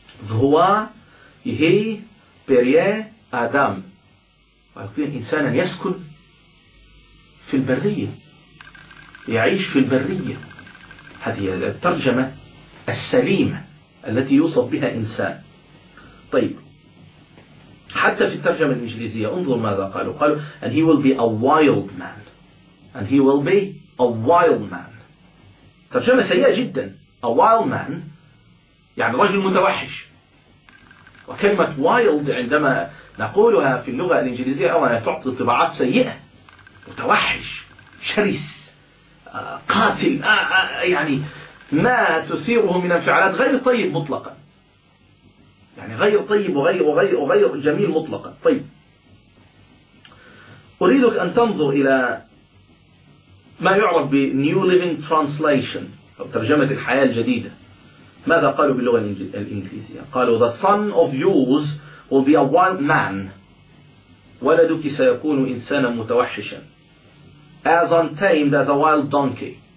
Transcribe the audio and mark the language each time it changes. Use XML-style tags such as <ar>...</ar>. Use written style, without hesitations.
<ar>هو يهي بريه آدم، ويكون إنسانا يسكن في البرية، يعيش في البرية، هذه الترجمة السليمة التي يوصف بها إنسان. طيب حتى في الترجمة الإنجليزية انظر ماذا قالوا</ar> <en>and he will be a wild man,</en> <ar>and he will be</ar> <en>a wild man،</en> <ar>ترجمة سيئة جدا، a wild man يعني رجل متوحش. وكلمة wild عندما نقولها في اللغة الإنجليزية أولا تعطي طباعات سيئة، متوحش، شرس، قاتل يعني ما تثيره من انفعالات غير طيب مطلقا، يعني غير طيب وغير وغير وغير جميل مطلقا. طيب أريدك أن تنظر إلى ما يعرف بـ New Living Translation أو ترجمة الحياة الجديدة. ماذا قالوا باللغة الإنجليزية؟ قالوا</ar> <en>The son of yours will be a wild man.</en> <ar>ولدك سيكون إنسانا متوحشا.</ar> <en>As untamed as a wild donkey.</en>